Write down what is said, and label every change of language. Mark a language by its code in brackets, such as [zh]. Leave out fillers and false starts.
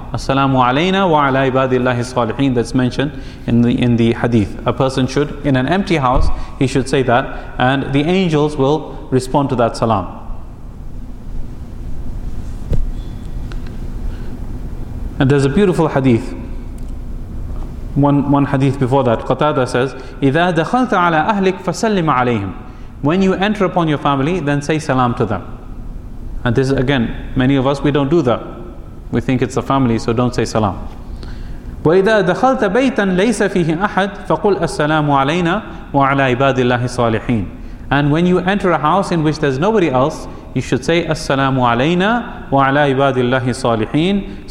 [ar] As-salamu alayna wa ala ibadillahi salihin. [en] That's mentioned in the hadith. A person should, in an empty house, he should say that. And the angels will respond to that salam. And there's a beautiful hadith. One hadith before that. [ar] Qatada says, إِذَا دَخَلْتَ عَلَىٰ أَهْلِكَ فَسَلِّمَ عَلَيْهِمْ. [en] When you enter upon your family, then say salam to them. And this is, again, many of us, we don't do that. We think it's a family, so don't say salam. [ar] وَإِذَا دَخَلْتَ بَيْتًا لَيْسَ فِيهِ أَحَدٍ فَقُلْ أَسَّلَامُ عَلَيْنَا وَعَلَىٰ عِبَادِ اللَّهِ الصَّالِحِينَ. [en] And when you enter a house in which there's nobody else, you should say, [ar] As-salamu alayna wa ala ibadillahi salihin.